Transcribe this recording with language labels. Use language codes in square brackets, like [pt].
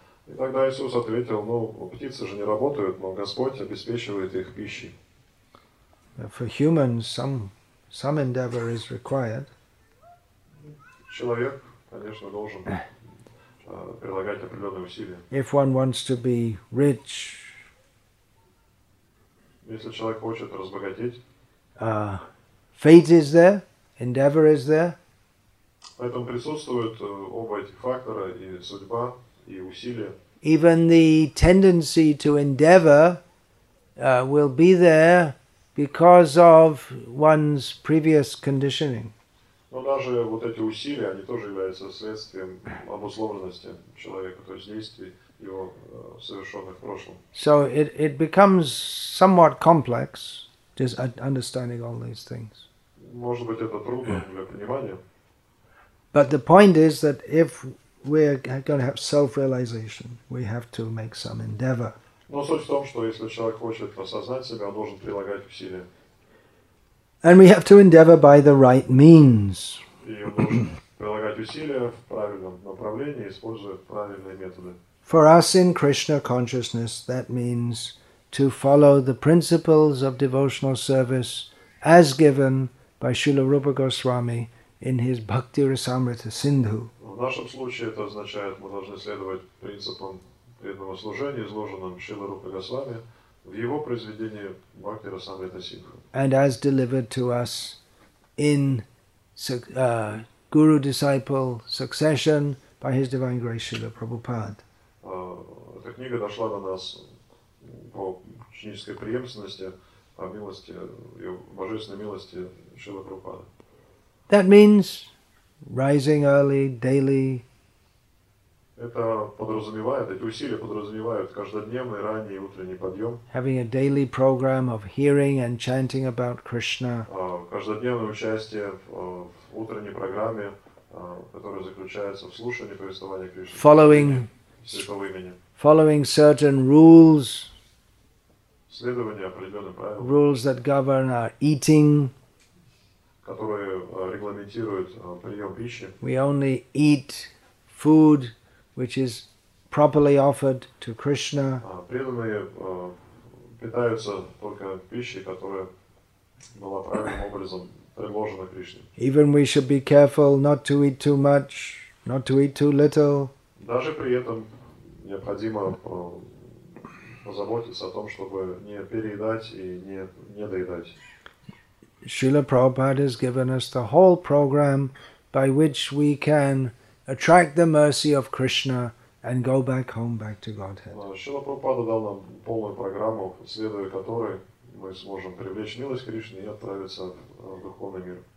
[ru] И тогда Иисус ответил, ну, птицы же не работают, но Господь обеспечивает их пищей. [en] For humans, some endeavor is required. [ru] Человек, конечно, должен прилагать определенные усилия. [en] If one wants to be rich, [ru] если человек хочет разбогатеть, [en] fate is there, endeavor is there. [ru] Поэтому присутствуют оба эти фактора, и судьба, и усилия. [en] Even the tendency to endeavor will be there because of one's previous conditioning. [ru] Но даже вот эти усилия, они тоже являются следствием обусловленности человека, то есть действий его совершенных в прошлом. [en] So it becomes somewhat complex, just understanding all these things. [ru] Может быть, это трудно для понимания. [en] But the point is that if we're going to have self-realization, we have to make some endeavor. [ru] Но суть в том, что если человек хочет осознать себя, он должен прилагать усилия. [en] And we have to endeavor by the right means. [ru] И он должен прилагать усилия в правильном направлении, используя правильные методы. [en] For us in Krishna consciousness, that means to follow the principles of devotional service as given by Srila Rupa Goswami in his Bhakti Rasamrita Sindhu. [ru] В нашем случае это означает, мы должны следовать принципам преданного служения, изложенным Шрила Рупа Госвами в его произведении Бхакти Расамрита Сингху. [en] And as delivered to us in guru-disciple succession by his divine grace Srila Prabhupada. [ru] Эта книга дошла до нас по ученической преемственности, по милости, божественной милости Шрила Прабхупады. [en] That means rising early, daily. [ru] Это подразумевает, эти усилия подразумевают каждодневный ранний и утренний подъем. [en] Having a daily program of hearing and chanting about Krishna. [ru] Каждодневное участие в утренней программе, которая заключается в слушании повествования Кришны. [en] Following certain rules. [ru] Следование определенным правилам. [en] Rules that govern our eating. [ru] Которые регламентируют прием пищи. [en] We only eat food which is properly offered to Krishna. [ru] Преданные питаются только пищей, которая была правильным образом предложена Кришне. [en] Even we should be careful not to eat too much, not to eat too little. [ru] Даже при этом необходимо позаботиться о том, чтобы не переедать и не доедать. [en] Srila Prabhupada has given us the whole program by which we can attract the mercy of Krishna and go back home, back to Godhead. [ru] Srila Prabhupada дал нам полную программу, следуя которой мы сможем привлечь милость Кришны и отправиться в духовный мир.